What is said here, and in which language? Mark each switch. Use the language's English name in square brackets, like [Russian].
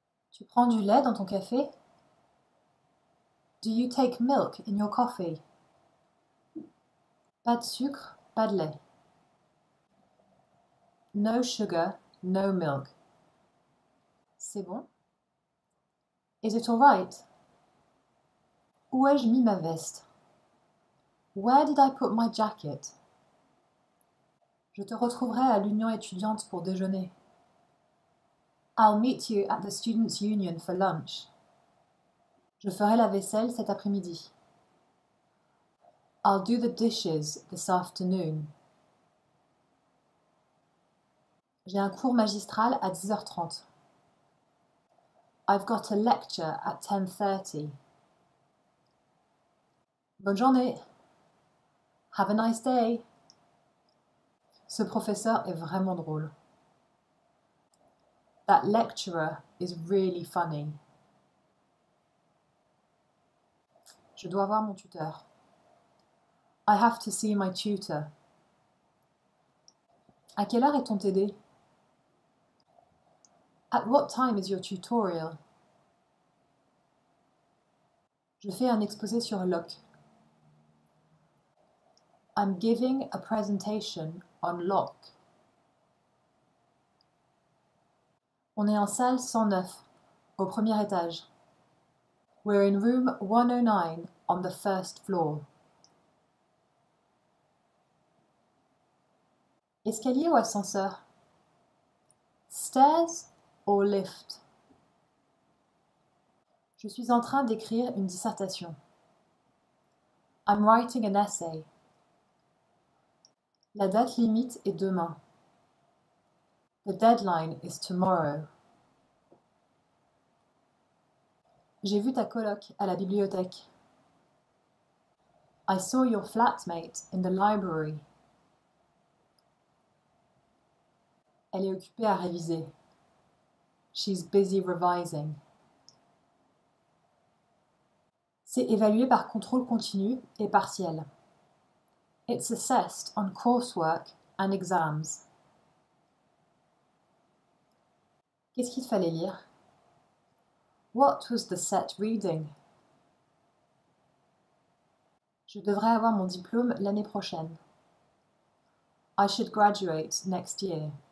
[French] Tu prends du lait dans ton café? [English] Do you take milk in your coffee? [French] Pas de sucre, pas de lait. [English] No sugar, no milk. [French] C'est bon? [English] Is it all right? [French] Où ai-je mis ma veste? [English] Where did I put my jacket? [French] Je te retrouverai à l'union étudiante pour déjeuner. [English] I'll meet you at the Students' Union for lunch. [French] Je ferai la vaisselle cet après-midi. [English] I'll do the dishes this afternoon. [French] J'ai un cours magistral à 10h30. [English] I've got a lecture at 10:30. [French] Bonne journée. [English] Have a nice day. [French] Ce professeur est vraiment drôle. [English] That lecturer is really funny. [French] Je dois voir mon tuteur. [English] I have to see my tutor. [French] À quelle heure est ton TD? [English] At what time is your tutorial? [French] Je fais un exposé sur Locke. [English] I'm giving a presentation on Locke. [French] On est en salle 109, au premier étage. [English] We're in room 109 on the first floor. [French] Escalier ou ascenseur? [English] Stairs or lift? [French] Je suis en train d'écrire une dissertation. [English] I'm writing an essay. [French] La date limite est demain. [English] The deadline is tomorrow. [French] J'ai vu ta coloc à la bibliothèque. [English] I saw your flatmate in the library. [French] Elle est occupée à réviser. [English] She's busy revising. [French] C'est évalué par contrôle continu et partiel. [English] It's assessed on coursework and exams. [French] Qu'est-ce qu'il fallait lire? [English] What was the set reading? [French] Je devrais avoir mon diplôme l'année prochaine. [English] I should graduate next year.